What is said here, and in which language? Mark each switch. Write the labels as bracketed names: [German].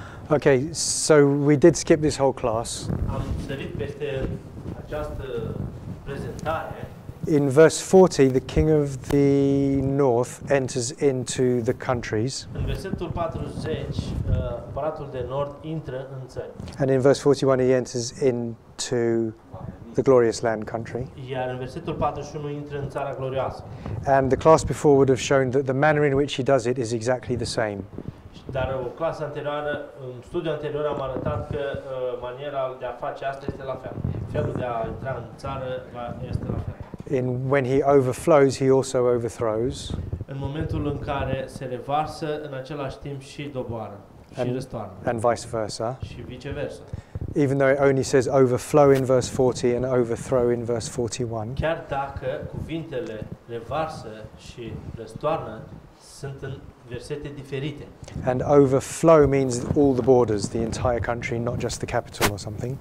[English] Okay, so we did skip this whole class. [Romanian] Am sărit peste această prezentare. [English] In verse 40, the king of the north enters into the countries. [Romanian] În versetul 40, împăratul de nord intră în țări. [English] And in verse 41, he enters into the glorious land country. [Romanian] Iar în versetul 41, intră în țara glorioasă. [English] And the class before would have shown that the manner in which he does it is exactly the same. [Romanian] Dar o clasă anterioară, în studiul anterior, am arătat că maniera de a face asta este la fel. Felul de a intra în țară este la fel. [English] In when he overflows, he also overthrows. [Romanian] În momentul în care se revarsă, în același timp și doboară și răstoarnă. [English] And vice versa. [Romanian] Și viceversa. [English] Even though it only says overflow in verse 40 and overthrow in verse 41. [Romanian] Chiar dacă cuvintele revarsă și răstoarnă sunt în versete diferite. [English] And overflow means all the borders, the entire country, not just the capital or something.